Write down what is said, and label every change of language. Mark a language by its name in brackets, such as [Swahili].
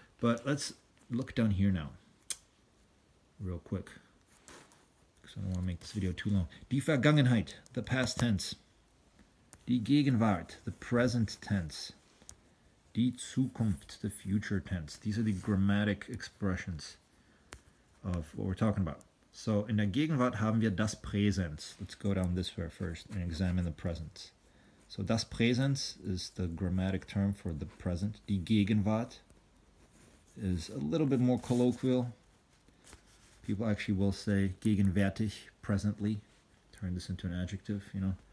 [English] But let's look down here now, real quick, because I don't want to make this video too long. Die Vergangenheit, the past tense. Die Gegenwart, the present tense. Die Zukunft, the future tense. These are the grammatic expressions of what we're talking about. [German] So, in der Gegenwart haben wir das Präsens. [English] Let's go down this way first and examine the present. So, das Präsens is the grammatic term for the present. Die Gegenwart is a little bit more colloquial. People actually will say gegenwärtig, presently. Turn this into an adjective, you know.